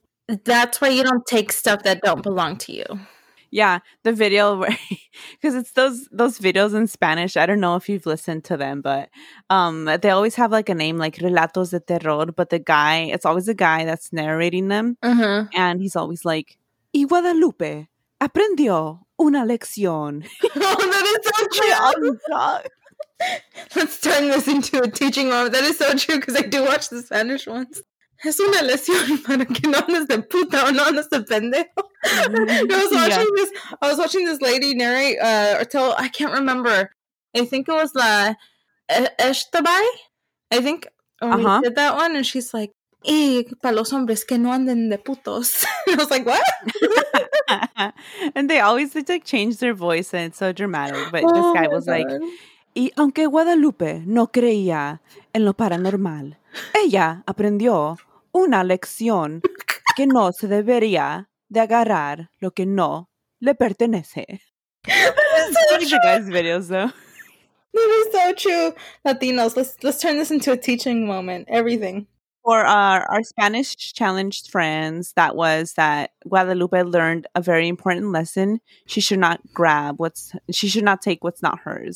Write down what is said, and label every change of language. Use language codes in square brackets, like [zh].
[en] That's why you don't take stuff that don't belong to you. Yeah, the video, because it's those videos in Spanish. I don't know if you've listened to them, but they always have like a name like Relatos de Terror. But the guy, it's always a guy that's narrating them. Mm-hmm. And he's always like, [es] y Guadalupe aprendió una lección. [en] Oh, that is so true. Let's turn this into a teaching moment. That is so true because I do watch the Spanish ones. [es] Es una lesión para que no andes de puta o no andes de pendejo. [en] I was watching this lady narrate or tell, I can't remember. I think it was La Eshtabai. I think she did that one and she's like, [es] y para los hombres que no anden de putos. [en] I was like, what? And they always like change their voice and it's so dramatic. But oh, this guy was like, [es] y aunque Guadalupe no creía en lo paranormal, ella aprendió una lección que no se debería de agarrar lo que no le pertenece. [en] That is so true. Latinos, let's turn this into a teaching moment. Everything. For our Spanish challenged friends, that was that Guadalupe learned a very important lesson. She should not grab she should not take what's not hers.